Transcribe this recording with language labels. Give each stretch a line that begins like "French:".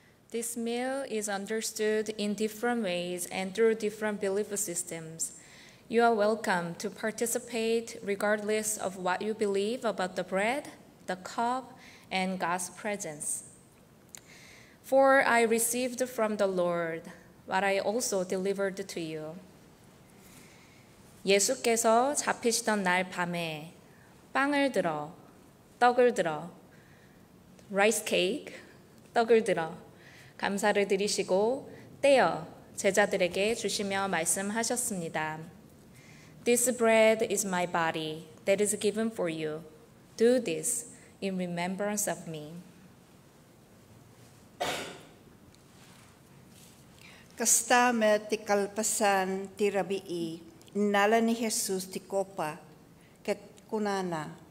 English: This meal is understood in different ways and through different belief systems. You are welcome to participate regardless of what you believe about the bread, the cup, and God's presence. For I received from the Lord what I also delivered to you.
Korean: 예수께서 잡히시던 날 밤에 빵을 들어, 떡을 들어,
English: rice cake,
Korean: 떡을 들어, 감사를 드리시고 떼어 제자들에게 주시며 말씀하셨습니다.
English: This bread is my body that is given for you. Do this in remembrance of me.
Iloko: Kasta met ti kalpasan ti rabii, inala ni Jesus ti kopa ket kunana.